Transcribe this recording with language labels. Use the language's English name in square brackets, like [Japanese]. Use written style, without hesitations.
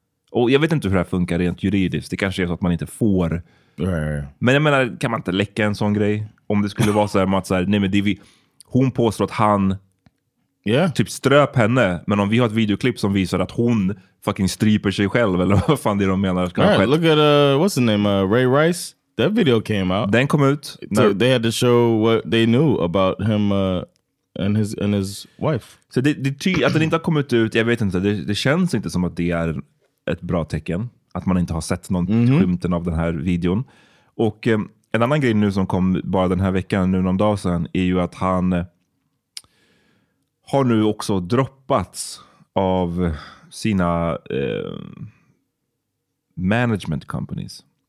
[Swedish] Och jag vet inte hur det här funkar rent juridiskt. Det kanske är så att man inte får. Men jag menar, kan man inte läcka en sån grej? Om det skulle vara så här, att så här, nej men det vi, hon påstår att han typ ströp henne. Men om vi har ett videoklipp som visar att hon fucking striper sig själv. Eller vad fan det är de menar. [English] All right, look at, what's the name, Ray Rice? That video came out. [Swedish] Den kom ut. [English] So they had to show what they knew about him and his wife. [Swedish] Så att den inte har kommit ut, jag vet inte. Det känns inte som att det är ett bra tecken, att man inte har sett någon skymten av den här videon. Och en annan grej nu som kom bara den här veckan, nu någon dag sedan, är ju att han har nu också droppats av sina [English] management companies.